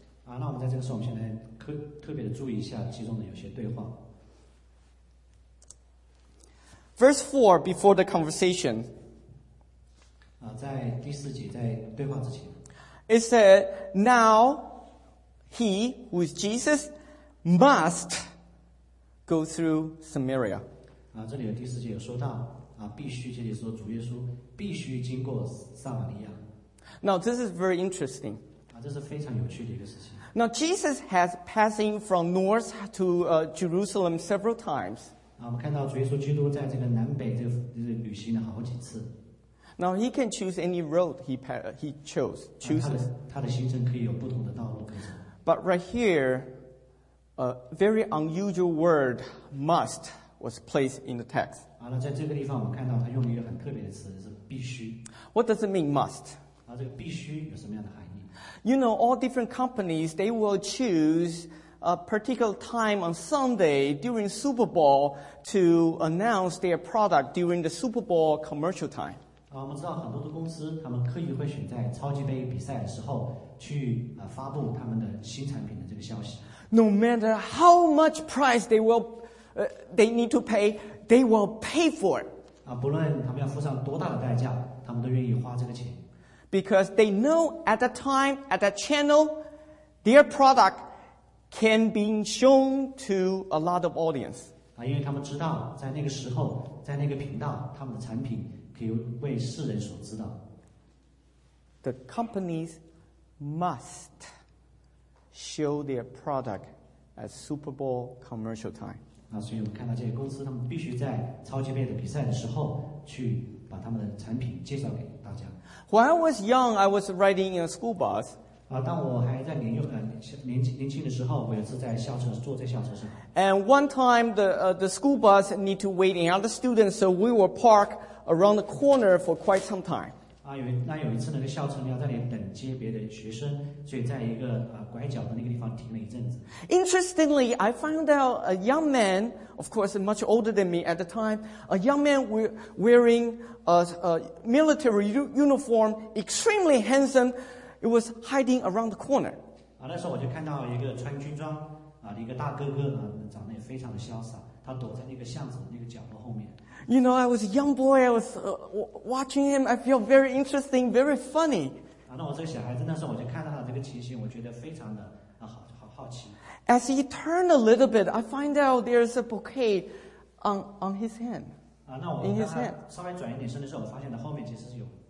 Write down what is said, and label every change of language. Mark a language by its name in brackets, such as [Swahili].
[Chinese] 那我们在这个时候，我们先来特别的注意一下其中的有些对话。 [English] Verse 4, before the conversation, [Chinese] 在第四节在对话之前 [English] it said, now he, who is Jesus, must go through Samaria. [Chinese] 这里有第四节有说到必须这里说主耶稣必须经过撒玛利亚。 [English] Now this is very interesting. [Chinese] 这是非常有趣的一个事情。 [English] Now Jesus has passing from north to Jerusalem several times. [Chinese] 我们看到主耶稣基督在这个南北这个旅行了好几次。 [English] Now he can choose any road he chose. Chooses. [Chinese] 他的行程可以有不同的道路可以走。 [English] But right here, a very unusual word, must, was placed in the text. [Chinese] 在这个地方我们看到他用了一个很特别的词，是必须。 [English] What does it mean, must? [Chinese] 这个必须有什么样的含义？ [English] You know, all different companies, they will choose. A particular time on Sunday during Super Bowl to announce their product during the Super Bowl commercial time. [Chinese] 我们知道很多的公司，他们刻意会选在超级杯比赛的时候去发布他们的新产品的这个消息。 [English] No matter how much price they need to pay, they will pay for it. [Chinese] 不论他们要付上多大的代价，他们都愿意花这个钱。 [English] Because they know at that time, at that channel, their product. Can be shown to a lot of audience. [Chinese] 因为他们知道，在那个时候，在那个频道，他们的产品可以为世人所知道。 [English] The companies must show their product at Super Bowl commercial time. [Chinese] 所以我们看到这些公司，他们必须在超级杯的比赛的时候去把他们的产品介绍给大家。 [English] When I was young, I was riding in a school bus. [Chinese] 当我还在年轻的时候，我有次在校车坐在校车上。 [English] And one time the school bus need to wait another student, so we were park around the corner for quite some time. [Chinese] 有一次那个校车要在那里等接别的学生，所以在一个拐角的那个地方停了一阵子。 [English] Interestingly, I found out a young man, of course much older than me at the time, a young man wearing a military uniform, extremely handsome. It was hiding around the corner. [Chinese] 那时候我就看到一个穿军装一个大哥哥长得也非常的潇洒，他躲在那个巷子那个角落后面。 [English] You know, I was a young boy. I was watching him. I felt very interesting, very funny. [Chinese] 那我这个小孩子那时候我就看到他这个情形，我觉得非常的好奇。 [English] As he turned a little bit, I find out there's a bouquet on his hand. [Chinese] 那我刚刚稍微转一点身的时候，我发现他后面其实是有